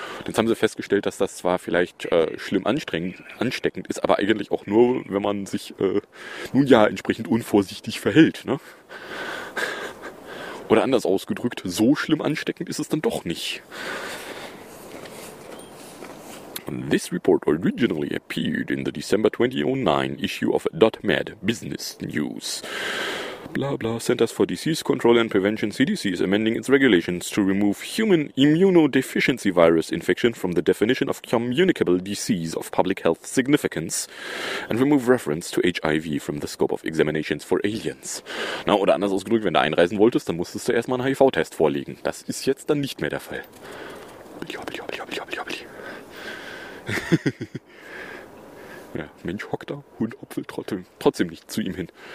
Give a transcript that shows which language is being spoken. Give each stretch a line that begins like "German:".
German: Und jetzt haben sie festgestellt, dass das zwar vielleicht schlimm ansteckend ist, aber eigentlich auch nur, wenn man sich entsprechend unvorsichtig verhält, ne? Oder anders ausgedrückt, so schlimm ansteckend ist es dann doch nicht.
English: This report originally appeared in the December 2009 issue of .med Business News. Blah blah, Centers for Disease Control and Prevention, CDC, is amending its regulations to remove human immunodeficiency virus infection from the definition of communicable disease of public health significance and remove reference to HIV from the scope of examinations for aliens.
German: Na, oder anders ausgedrückt, wenn du einreisen wolltest, dann musstest du erstmal einen HIV-Test vorlegen. Das ist jetzt dann nicht mehr der Fall. Blibli. Ja, Mensch hockt da, Hund hopfelt trotzdem nicht zu ihm hin.